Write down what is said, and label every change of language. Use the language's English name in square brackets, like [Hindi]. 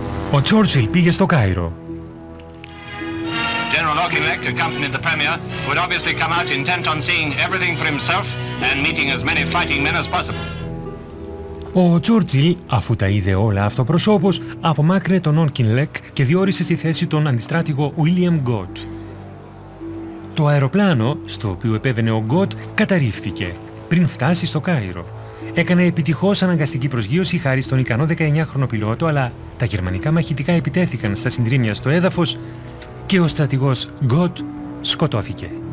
[Greek] Ο Τσόρτσιλ πήγε στο Κάιρο. [English] General Auchinleck, accompanied the Premier, would obviously come out intent on seeing everything for himself and meeting as many fighting men as possible. [Greek] Ο Τσούρτσιλ, αφού τα είδε όλα αυτοπροσώπως, απομάκρυνε τον Όκινλεκ και διόρισε στη θέση τον αντιστράτηγο Βίλιαμ Γκοτ. Το αεροπλάνο, στο οποίο επέβαινε ο Γκοτ, καταρρίφθηκε, πριν φτάσει στο Κάιρο. Έκανε επιτυχώς αναγκαστική προσγείωση χάρη στον ικανό 19χρονο πιλότο, αλλά τα γερμανικά μαχητικά επιτέθηκαν στα συντρίμια στο έδαφος και ο στρατηγός Γκοτ σκοτώθηκε.